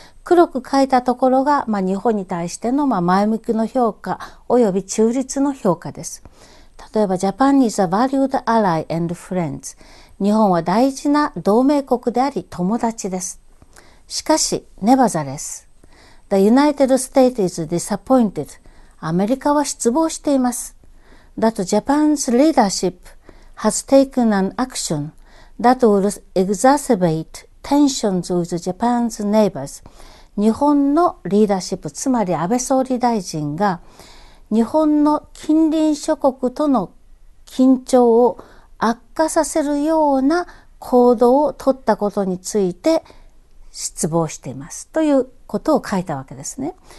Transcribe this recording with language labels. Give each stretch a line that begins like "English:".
Japanese: 黒く書いたところが、まあ、日本に対しての前向きの評価及び中立の評価です。
English: 例えば、Japan is a valued ally and friends。
Japanese: 日本は大事な同盟国であり友達です。
English: しかし、Nevertheless。 The United States is disappointed.
Japanese: アメリカは失望しています。
English: That Japan's leadership has taken an action that will exacerbate tensions with Japan's neighbors.
Japanese: 日本のリーダーシップ、つまり安倍総理大臣が、日本の近隣諸国との緊張を悪化させるような行動を取ったことについて失望していますということを書いたわけですね。